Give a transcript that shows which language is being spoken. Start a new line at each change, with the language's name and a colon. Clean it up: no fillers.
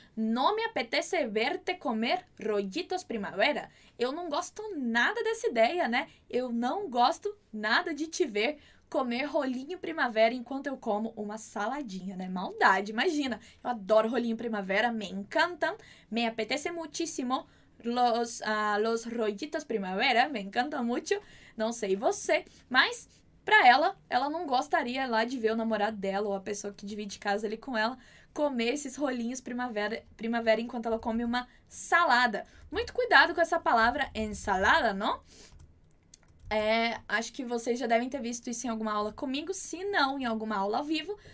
Spanish: No me apetece verte comer rollitos primavera.
Portuguese: Eu não gosto nada dessa ideia, né? Eu não gosto nada de te ver comer rolinho primavera enquanto eu como uma saladinha, né? Maldade, imagina. Eu adoro rolinho primavera, me encantam.
Spanish: Me apetece muchísimo los rollitos primavera, me encantan mucho.
Portuguese: Não sei você, mas pra ela, ela não gostaria lá de ver o namorado dela ou a pessoa que divide casa ali com ela comer esses rolinhos primavera enquanto ela come uma salada. Muito cuidado com essa palavra ensalada, não? É, acho que vocês já devem ter visto isso em alguma aula comigo, se não em alguma aula ao vivo.